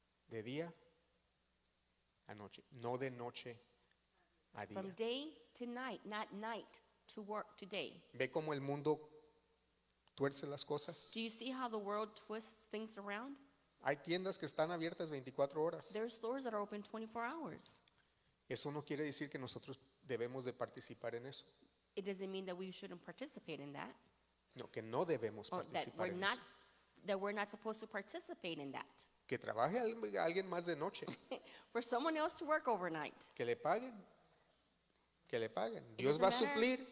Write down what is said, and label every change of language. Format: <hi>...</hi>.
<es>De día a noche. No de noche a día.</es> <en>From day to night, not night to work to day.</en> <es>Ve cómo el mundo tuerce las cosas.</es> <en>Do you see how the world twists things around?</en> <es>Hay tiendas que están abiertas 24 horas.</es> <en>There are stores that are open 24 hours.</en> <es>Eso no quiere decir que nosotros debemos de participar en eso.</es> <en>It doesn't mean that we shouldn't participate in that.</en> <es>No, que no debemos participar en eso.</es> <en>That we're not supposed to participate in that.</en> <es>Que trabaje alguien más de noche.</es> <en>For someone else to work overnight.</en> <es>Que le paguen. Que le paguen. Dios va a suplir.</es>